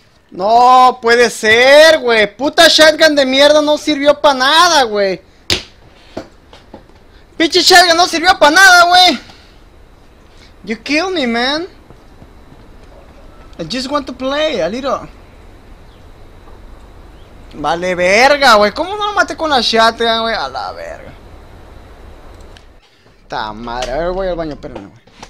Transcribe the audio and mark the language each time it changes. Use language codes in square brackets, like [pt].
[es] No puede ser, güey. Puta shotgun de mierda no sirvió para nada, güey. Pinche shotgun no sirvió para nada, güey. [en] You kill me, man. I just want to play a little. [es] Vale verga, güey. ¿Cómo no lo maté con la shotgun, güey? A la verga. Ta madre. A ver, voy al baño, espérame, güey.